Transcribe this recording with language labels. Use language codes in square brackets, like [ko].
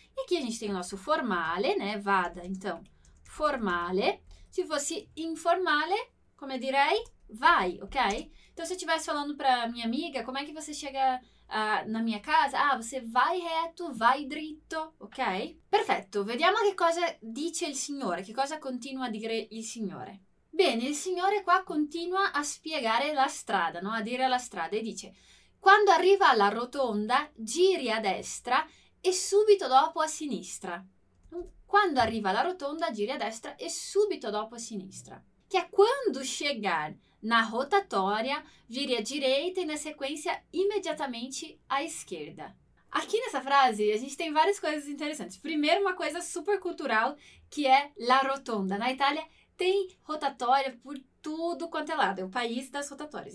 [pt] E aqui a gente tem o nosso formale, né, vada, então, formale. Se fosse informale, como eu direi, vai, ok? Então, se eu estivesse falando para minha amiga, como é que você chega na minha casa, ah, você vai reto, vai dritto, ok? [it] Perfetto, vediamo che cosa dice il signore, che cosa continua a dire il signore. Bene, il signore qua continua a spiegare la strada, no? A dire la strada, e dice, quando arriva alla rotonda, giri a destra e subito dopo a sinistra. Quando arriva alla rotonda, giri a destra e subito dopo a sinistra. Che è [pt] quando chegar na rotatória, vire à direita e, na sequência, imediatamente à esquerda. Aqui nessa frase, a gente tem várias coisas interessantes. Primeiro, uma coisa super cultural, que é la rotonda. Na Itália, tem rotatória por tudo quanto é lado. É o país das rotatórias.